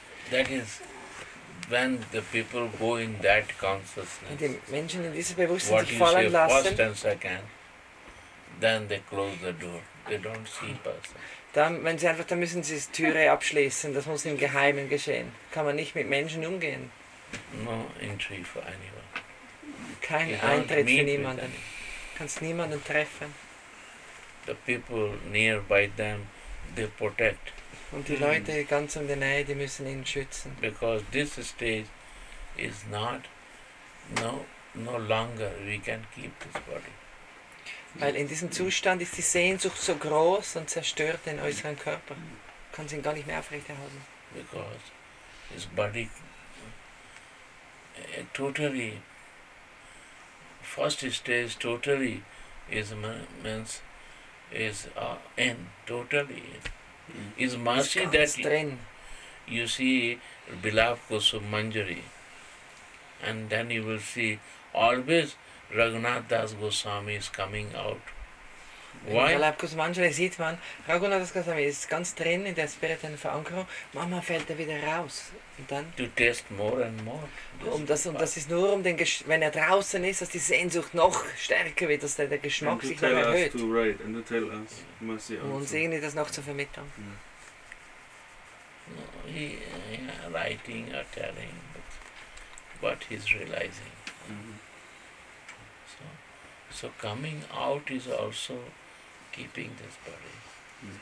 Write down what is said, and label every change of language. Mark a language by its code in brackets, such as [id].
[en] That is when the people go in that consciousness, what you say first and second, then they close the door. They don't see person. [de] Dann, wenn sie einfach, dann müssen sie die Türe abschließen. Das muss im Geheimen geschehen. Kann man nicht mit Menschen umgehen. [en] No entry for anyone. [de] Kein Eintritt für niemanden. Du kannst niemanden treffen. [en] The people nearby them, they protect. [de] Und die Leute ganz in der Nähe, die müssen ihn schützen. [en] Because this stage is not, no longer we can keep this body. [de] Weil in diesem Zustand ist die Sehnsucht so groß und zerstört den äußeren Körper. Kann sie ihn gar nicht mehr aufrechterhalten. [en] Because his body totally, first stage totally is means is in totally is mercy that you see Bilap Kusum Manjari, and then you will see always Raghunath Das Goswami is coming out. Why? [de] Bilap Kusum Manjari sieht man, Raghunath Das Goswami ist ganz drin in der spirituellen Verankerung, manchmal fällt er wieder raus. Und dann? [en] To test more and more. [de] Und das ist nur um den Geschmack, wenn er draußen ist, dass die Sehnsucht noch stärker wird, dass der Geschmack sich noch erhöht. [en] And to tell us, right, and to tell us, mercy also. [de] Und segne das noch zur Vermittlung. [en] Yeah, writing or telling, but he's realizing. Mm-hmm. So coming out is also keeping this body.